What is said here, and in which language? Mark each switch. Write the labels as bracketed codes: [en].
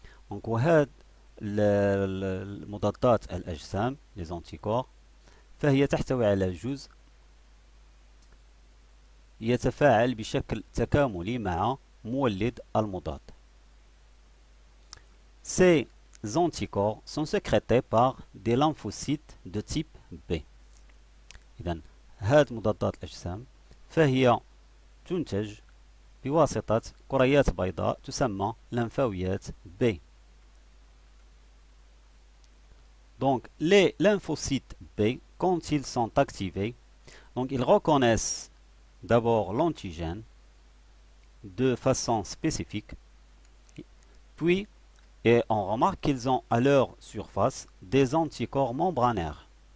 [fr] Donc, ouais, les [ar] مضادات الأجسام, [fr] les anticorps, [ar] فهي تحتوي على جزء يتفاعل بشكل تكاملي مع مولد المضاد. [fr] Ces anticorps sont sécrétés par des lymphocytes de type B. [ar] إذا هاد مضادات الأجسام فهي تنتج بواسطة كريات بيضاء تسمى لمفاويات B. [fr] Donc, les lymphocytes B, quand ils sont activés, donc ils reconnaissent d'abord l'antigène de façon spécifique, puis et on remarque qu'ils ont à leur surface des anticorps membranaires.